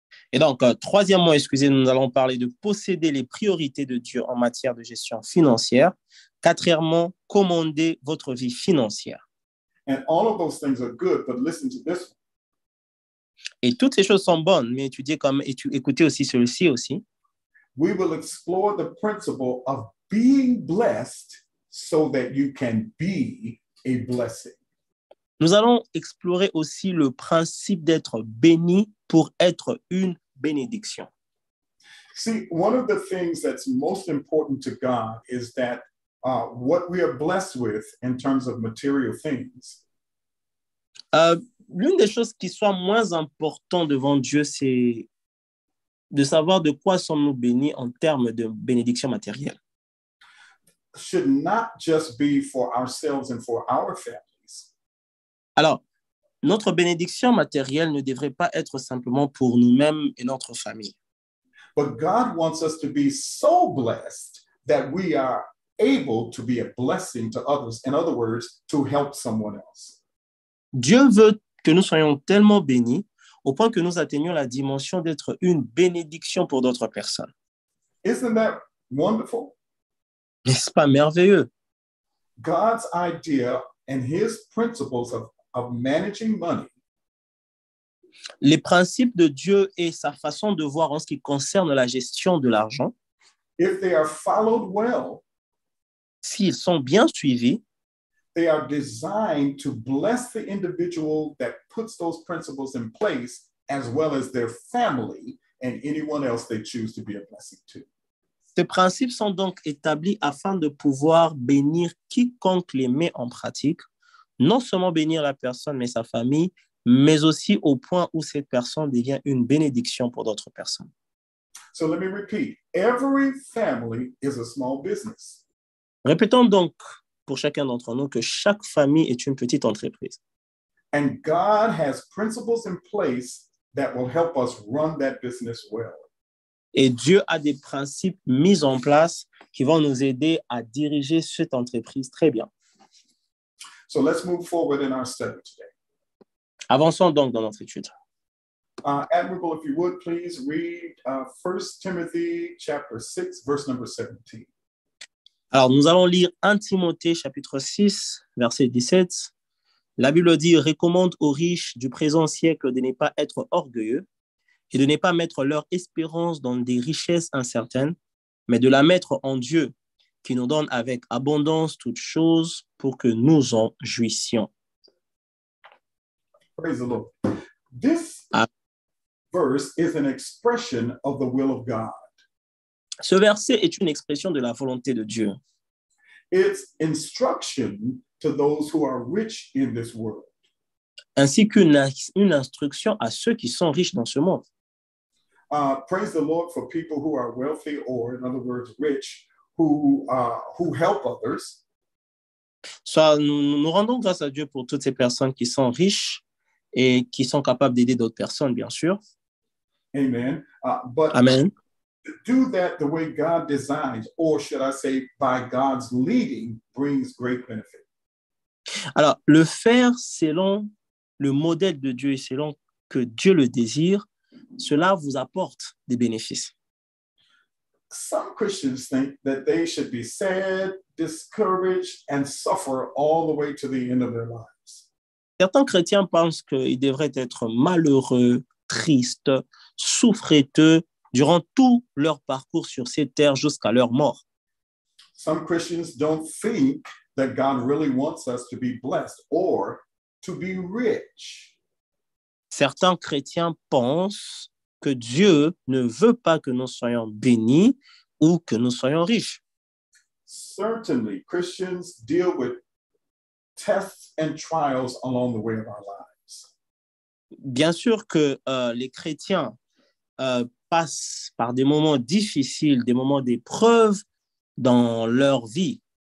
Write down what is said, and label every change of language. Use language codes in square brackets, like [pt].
[fr] Et donc, troisièmement, excusez, nous allons parler de posséder les priorités de Dieu en matière de gestion financière. Quatrièmement, commander votre vie financière. [en] And all of those things are good, but listen to this one. [fr] Et toutes ces choses sont bonnes, mais écoutez aussi celui-ci aussi. [en] We will explore the principle of being blessed so that you can be a blessing. [fr] Nous allons explorer aussi le principe d'être béni pour être une bénédiction. [en] See, one of the things that's most important to God is that what we are blessed with in terms of material things. [fr] L'une des choses qui soit moins important devant Dieu, c'est de savoir de quoi sommes-nous bénis en termes de bénédiction matérielle. [en] Should not just be for ourselves and for our families. [fr] Alors, notre bénédiction matérielle ne devrait pas être simplement pour nous-mêmes et notre famille. [en] But God wants us to be so blessed that we are able to be a blessing to others. In other words, to help someone else. [fr] Dieu veut que nous soyons tellement bénis au point que nous atteignons la dimension d'être une bénédiction pour d'autres personnes. [en] Isn't that wonderful? [fr] N'est-ce pas merveilleux? [en] God's idea and his principles of managing money. [fr] Les principes de Dieu et sa façon de voir en ce qui concerne la gestion de l'argent, [en] if they are followed well, [fr] s'ils sont bien suivis, [en] they are designed to bless the individual that puts those principles in place, as well as their family and anyone else they choose to be a blessing to. [fr] Ces principes sont donc établis afin de pouvoir bénir quiconque les met en pratique, non seulement bénir la personne mais sa famille, mais aussi au point où cette personne devient une bénédiction pour d'autres personnes. [en] So let me repeat. Every family is a small business. [fr] Répétons donc pour chacun d'entre nous que chaque famille est une petite entreprise. [en] And God has principles in place that will help us run that business well. [fr] Et Dieu a des principes mis en place qui vont nous aider à diriger cette entreprise très bien. [en] So let's move forward in our study today. [fr] Avançons donc dans notre étude. [en] Admirable, if you would please read 1 Timothy chapter 6, verse number 17. [fr] Alors, nous allons lire 1 Timothée chapitre 6, verset 17. La Bible dit, « Recommande aux riches du présent siècle de ne pas être orgueilleux et de ne pas mettre leur espérance dans des richesses incertaines, mais de la mettre en Dieu, qui nous donne avec abondance toutes choses pour que nous en jouissions. » [en] Praise the Lord. This verse is an expression of the will of God. [fr] Ce verset est une expression de la volonté de Dieu. [en] It's instruction to those who are rich in this world. [fr] Ainsi qu'une instruction à ceux qui sont riches dans ce monde. [en] Praise the Lord for people who are wealthy or, in other words, rich, who help others. [fr] Soit nous rendons grâce à Dieu pour toutes ces personnes qui sont riches et qui sont capables d'aider d'autres personnes, bien sûr. [en] Amen. But [fr] Amen. [en] Do that the way God designed, or should I say, by God's leading, brings great benefit. [fr] Alors, le faire selon le modèle de Dieu et selon que Dieu le désire, cela vous apporte des bénéfices. [en] Some Christians think that they should be sad, discouraged, and suffer all the way to the end of their life. [fr] Certains chrétiens pensent qu'ils devraient être malheureux, tristes, souffreteux durant tout leur parcours sur ces terres jusqu'à leur mort. [en] Some Christians don't think that God really wants us to be blessed or to be rich. [fr] Certains chrétiens pensent que Dieu ne veut pas que nous soyons bénis ou que nous soyons riches. [en] Certainly, Christians deal with tests and trials along the way of our lives. [fr] Bien sûr que les chrétiens passent par des moments difficiles, des moments d'épreuve dans leur vie.